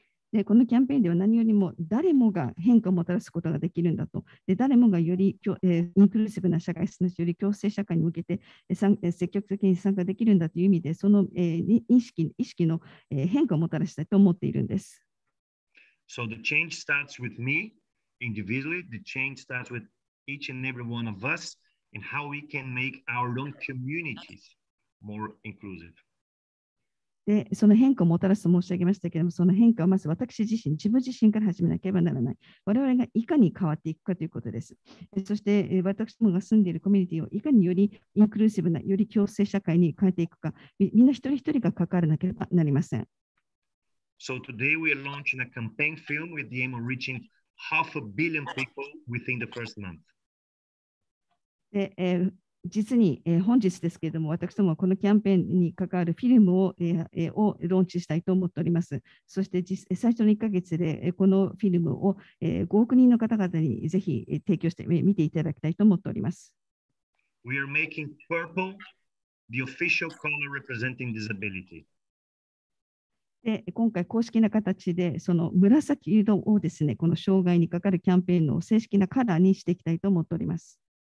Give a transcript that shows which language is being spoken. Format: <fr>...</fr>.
<ja>でこのキャンペーンでは何よりも誰もが変化をもたらすことができるんだと。で誰もがより、インクルーシブな社会、すなわちより共生社会に向けて積極的に参加できるんだという意味で、その、意識の、変化をもたらしたいと思っているんです。</ja> <en>So the change starts with me individually. The change starts with each and every one of us and how we can make our own communities more inclusive.</en> <ja>でその変化をもたらすと申し上げましたけれども、その変化はまず自分自身から始めなければならない。我々がいかに変わっていくかということです。そして私どもが住んでいるコミュニティをいかによりインクルーシブな、より共生社会に変えていくか、みんな一人一人が関わらなければなりません。</ja> <en>So today we are launching a campaign film with the aim of reaching 500 million people within the first month.</en> <ja>で実に本日ですけれども、私どもはこのキャンペーンに関わるフィルムをローンチしたいと思っております。そして最初の1ヶ月でこのフィルムを5億人の方々にぜひ提供して見ていただきたいと思っております。</ja> <en>We are making purple the official color representing disability.</en> <ja>で今回公式な形でその紫色をですね、この障害に関わるキャンペーンの正式なカラーにしていきたいと思っております。</ja>